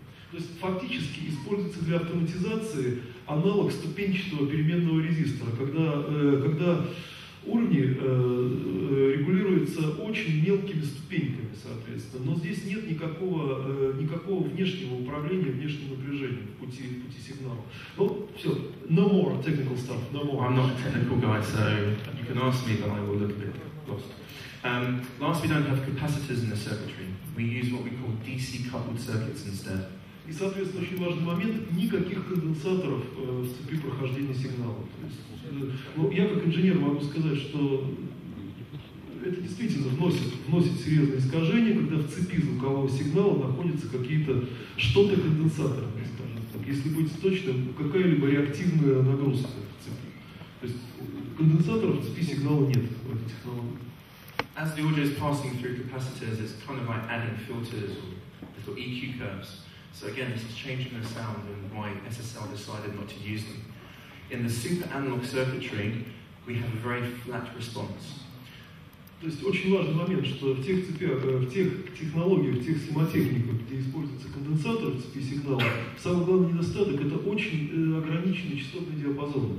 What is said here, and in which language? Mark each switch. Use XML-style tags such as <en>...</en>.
<ru>То есть фактически используется для автоматизации аналог ступенчатого переменного резистора, когда уровни регулируются очень мелкими ступеньками, соответственно. Но здесь нет никакого внешнего управления, внешнего напряжения в пути сигнала. Ну, все.</ru> <en>No more technical stuff. No more. I'm not a technical guy, so you can ask me, but I will look a bit lost. Last, we don't have capacitors in the circuitry. We use what we call DC coupled circuits instead.</en> <ru>И, соответственно, очень важный момент – никаких конденсаторов в цепи прохождения сигнала. То есть, я как инженер могу сказать, что это действительно вносит серьезные искажения, когда в цепи звукового сигнала находятся какие-то что-то конденсаторные, скажем так, если быть точным, какая-либо реактивная нагрузка в цепи. То есть конденсаторов в цепи сигнала нет в этой технологии.</ru> <en>As the audio is passing through capacitors, it's kind of like adding filters or EQ curves. So again, this is changing the sound and why SSL decided not to use them. In the super analog circuitry, we have a very flat response.</en> <ru>То есть очень важный момент, что в тех цепях, в тех технологиях, в тех схемотехниках, где используется конденсатор в цепи сигнала, самый главный недостаток – это очень ограниченный частотный диапазон.</ru>